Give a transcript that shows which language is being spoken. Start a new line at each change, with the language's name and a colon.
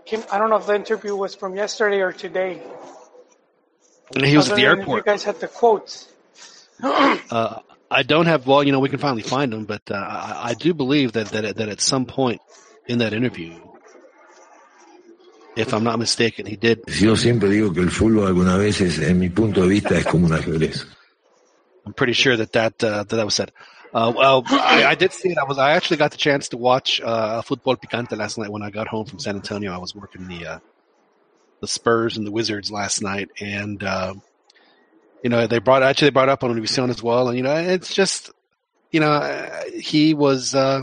English: I don't know if the interview was from yesterday or today. And he was at the airport. You guys had the quotes. I don't have. Well, you know, we can finally find them, but I do believe that at some point in that interview, if I'm not mistaken, he did.
Spanish: Yo siempre digo que el fútbol algunas veces, en mi punto de vista, es como un ajedrez.
English: I'm pretty sure that was said. Well, I did see it. I actually got the chance to watch Football Picante last night when I got home from San Antonio. I was working the Spurs and the Wizards last night, and you know, they brought up on Univision as well, and you know, it's just, you know, he was.